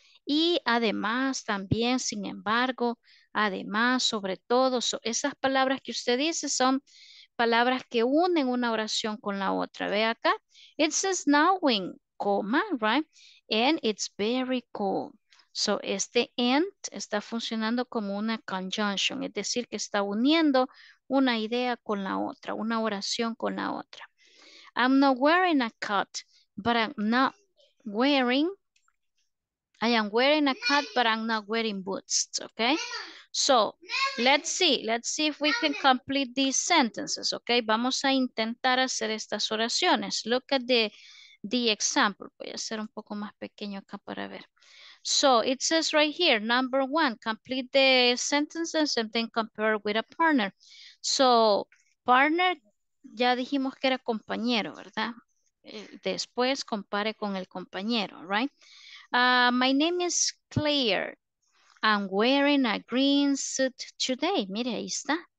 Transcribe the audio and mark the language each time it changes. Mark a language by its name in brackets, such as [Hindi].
[Spanish] Y además, también, sin embargo, además, sobre todo, so, esas palabras que usted dice son palabras que unen una oración con la otra. Ve acá. [English] It's snowing, coma, right? And it's very cold. [Spanish] So, este and está funcionando como una conjunction. Es decir, que está uniendo una idea con la otra, una oración con la otra. [English] I'm not wearing a coat, but I'm not wearing. I am wearing a coat, but I'm not wearing boots. Okay? So, let's see if we can complete these sentences, okay? [Spanish] Vamos a intentar hacer estas oraciones. [English] Look at the example. [Spanish] Voy a hacer un poco más pequeño acá para ver. [English] So, it says right here, number one, complete the sentences and then compare with a partner. [Spanish] So, partner, ya dijimos que era compañero, ¿verdad? Después compare con el compañero, right? [English] My name is Claire. I'm wearing a green suit today. [Spanish] Mire, ahí está.